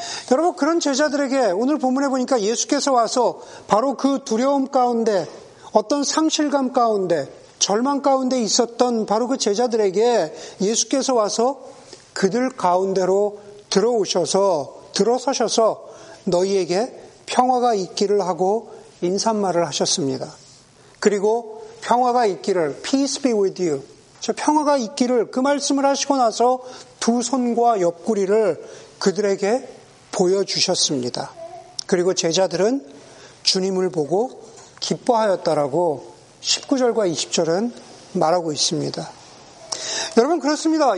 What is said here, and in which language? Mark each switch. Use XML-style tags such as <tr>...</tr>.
<ko>여러분 그런 제자들에게 오늘 본문에 보니까 예수께서 와서 바로 그 두려움 가운데 어떤 상실감 가운데 절망 가운데 있었던 바로 그 제자들에게 예수께서 와서 그들 가운데로 들어서셔서 너희에게 평화가 있기를 하고 인사말을 하셨습니다. 그리고 평화가 있기를</ko> <en>Peace be with you.</en> <ko>저 평화가 있기를 그 말씀을 하시고 나서 두 손과 옆구리를 그들에게 보여주셨습니다. 그리고 제자들은 주님을 보고 기뻐하였다라고 19절과 20절은 말하고 있습니다. 여러분 그렇습니다.</ko>